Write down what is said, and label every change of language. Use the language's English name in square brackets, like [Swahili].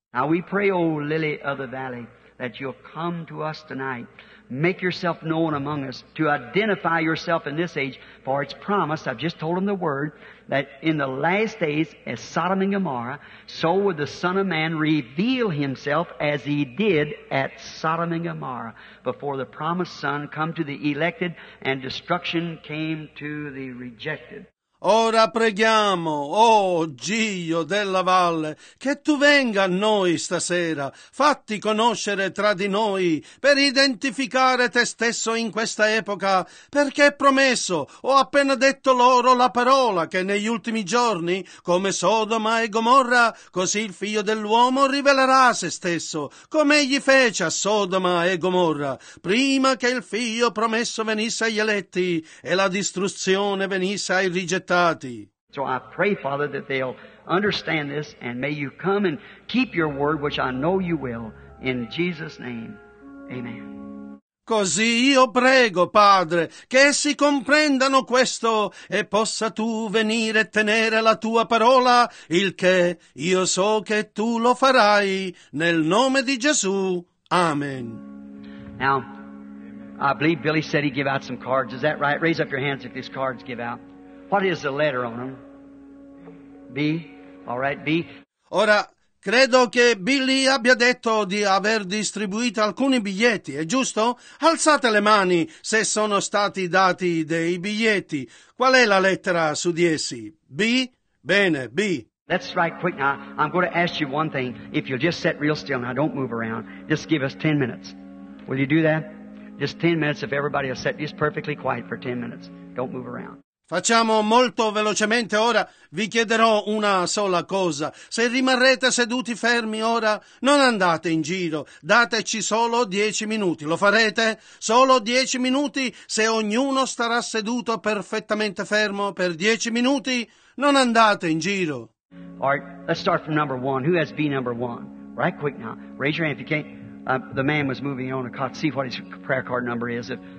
[English] Now we pray, O lily of the valley, that you'll come to us tonight. Make yourself known among us to identify yourself in this age, for it's promised, I've just told them the word, that in the last days, as Sodom and Gomorrah, so would the Son of Man reveal himself as he did at Sodom and Gomorrah, before the promised Son come to the elected and destruction came to the rejected. [Italian] Ora preghiamo, oh Giglio della Valle, che tu venga a noi stasera, fatti conoscere tra di noi, per identificare te stesso in questa epoca, perché è promesso, ho appena detto loro la parola, che negli ultimi giorni, come Sodoma e Gomorra, così il Figlio dell'Uomo rivelerà se stesso, come egli fece a Sodoma e Gomorra, prima che il Figlio promesso venisse agli eletti e la distruzione venisse ai rigettati. [English] So I pray, Father, that they'll understand this, and may you come and keep your word, which I know you will, in Jesus' name. Amen. [Italian] Così io prego, Padre, che essi comprendano questo e possa tu venire e tenere la tua parola, il che io so che tu lo farai, nel nome di Gesù. Amen. [English] Now, I believe Billy said he'd give out some cards. Is that right? Raise up your hands if these cards give out. What is the letter on them? B. All right, B. [Italian] Ora, credo che Billy abbia detto di aver distribuito alcuni biglietti, è giusto? Alzate le mani se sono stati dati dei biglietti. Qual è la lettera su di essi? B. Bene, B. [English] That's right, quick. Now, I'm going to ask you one thing. If you'll just sit real still, now don't move around. Just give us 10 minutes. Will you do that? Just 10 minutes if everybody will sit just perfectly quiet for 10 minutes. Don't move around. [Italian] Facciamo molto velocemente ora, vi chiederò una sola cosa. Se rimarrete seduti fermi ora, non andate in giro, dateci solo 10 minuti. Lo farete? Solo 10 minuti, se ognuno starà seduto perfettamente fermo per 10 minuti, non andate in giro. [English] All right, let's start from number one. Who has B number one? Right quick now. Raise your hand if you can't. The man was moving on a cot. See what his prayer card number is.